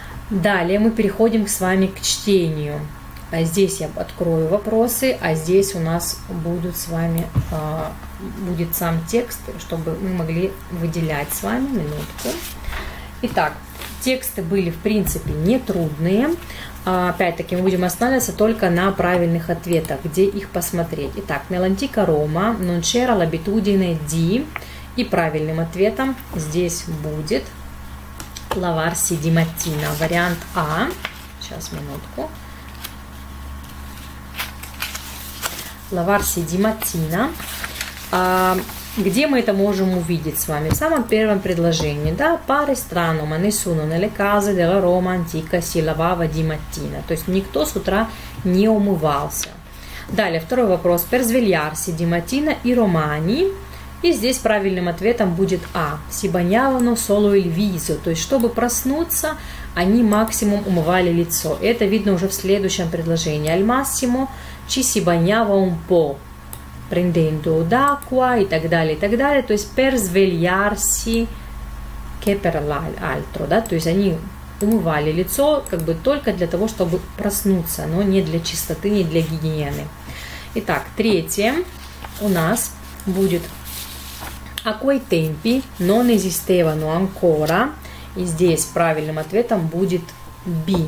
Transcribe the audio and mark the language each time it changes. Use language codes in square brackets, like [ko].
[ru] Далее мы переходим с вами к чтению. А здесь я открою вопросы, а здесь у нас будут с вами, будет сам текст, чтобы мы могли выделять с вами минутку. Итак, тексты были, в принципе, нетрудные. Опять-таки, мы будем останавливаться только на правильных ответах, где их посмотреть. Итак, [it] nell'antica Roma non c'era l'abitudine di... [ru] И правильным ответом здесь будет [it] lavarsi di mattina. [ru] Вариант А. Сейчас, минутку. [it] Lavarsi di mattina. [ru] Где мы это можем увидеть с вами? В самом первом предложении, да, [it] pare strano, ma nessuno nelle case della Roma antica si lavava di mattina. [ru] То есть никто с утра не умывался. Далее, второй вопрос. [it] Per svegliarsi di mattina i romani. [ru] И здесь правильным ответом будет А. [it] Si bagnavano solo il viso. [ru] То есть, чтобы проснуться, они максимум умывали лицо. Это видно уже в следующем предложении. [it] Al massimo ci si bagnava un po'. Prendendo d'acqua [ru] и так далее, и так далее. То есть [it] per svegliarsi che per l'altro, [ru] да? То есть они умывали лицо как бы только для того, чтобы проснуться, но не для чистоты, не для гигиены. Итак, третье у нас будет [it] a quei tempi non esistevano ancora. [ru] И здесь правильным ответом будет B.